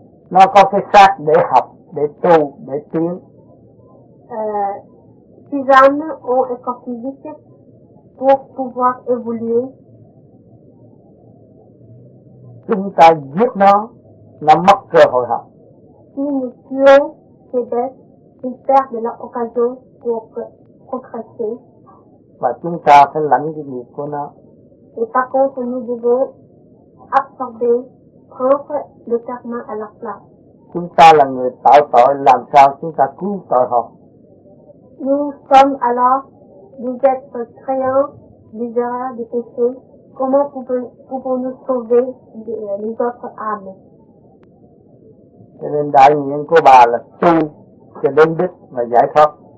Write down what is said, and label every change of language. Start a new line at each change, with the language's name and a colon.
Vietnamese: Nó có cái xác để học, để tu, để tiến.
French: Ces âmes ont un corps physique pour pouvoir évoluer.
Vietnamese: Chúng ta giết nó mất cơ hội học.
French: Si nous tuons ces bêtes, ils perdent leur occasion pour progresser.
Vietnamese: Và chúng ta phải lãnh cái nghiệp của nó.
French: Et par contre, nous devons absorber, prendre le karma à leur place.
Vietnamese: Chúng ta là người tạo tội, làm sao chúng ta cứu tội họ?
French: Nous sommes alors des êtres créants des erreurs, des péchés. Comment pouvons-nous sauver les autres âmes?
Vietnamese: Cho nên đại nguyện của bà là tu cho đến đức và giải thoát.